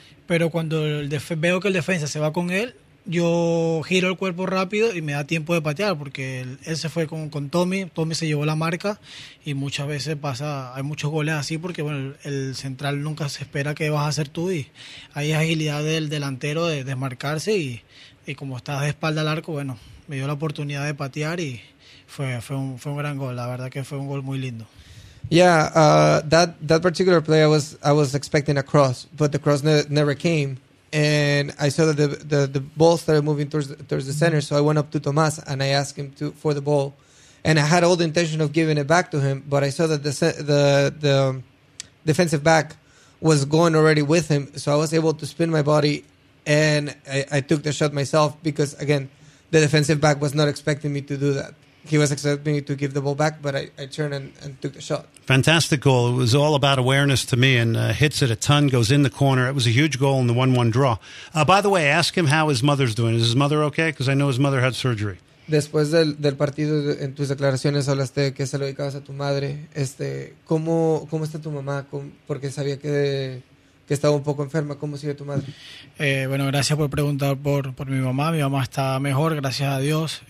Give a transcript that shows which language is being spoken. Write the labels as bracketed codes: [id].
[es] pero cuando veo que el defensa se va con él, yo giro el cuerpo rápido y me da tiempo de patear, porque él se fue con Tommy se llevó la marca, y muchas veces pasa, hay muchos goles así, porque bueno, el central nunca se espera que vas a hacer tú, y hay agilidad del delantero de desmarcarse, y como estaba de espalda al arco, bueno, me dio la oportunidad de patear, y fue un gran gol. La verdad que fue un gol muy lindo. [en] Yeah, that particular play, I was expecting a cross, but the cross never came, and I saw that the ball started moving towards the center, so I went up to Tomás and I asked him for the ball, and I had all the intention of giving it back to him, but I saw that the defensive back was going already with him, so I was able to spin my body. And I took the shot myself because, again, the defensive back was not expecting me to do that. He was expecting me to give the ball back, but I turned and took the shot. Fantastic goal. It was all about awareness to me, and hits it a ton, goes in the corner. It was a huge goal in the 1-1 draw. By the way, ask him how his mother's doing. Is his mother okay? Because I know his mother had surgery. [es] Después del partido, en tus declaraciones hablaste que se lo dedicabas a tu madre. ¿Cómo está tu mamá? Porque sabía que... que estaba un poco enferma. ¿Cómo sigue tu madre? Bueno, gracias por preguntar por mi mamá. Mi mamá está mejor, gracias a Dios.